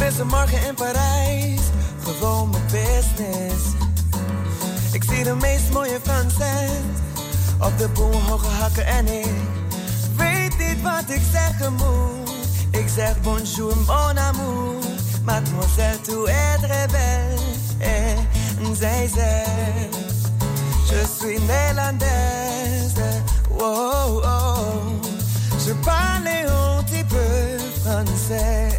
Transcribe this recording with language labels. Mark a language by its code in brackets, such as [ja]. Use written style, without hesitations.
[nl] Morgen in Parijs, gewoon mijn business. Ik zie de meest mooie Fransen op de boom hoge hakken en ik weet niet wat ik zeggen moet. Ik zeg [fr] bonjour, mon amour, mademoiselle, tu es très belle. [nl] En zij zegt, [fr] je suis [nl] Nederlandse. [fr] Wow, wow, je parle un petit peu français.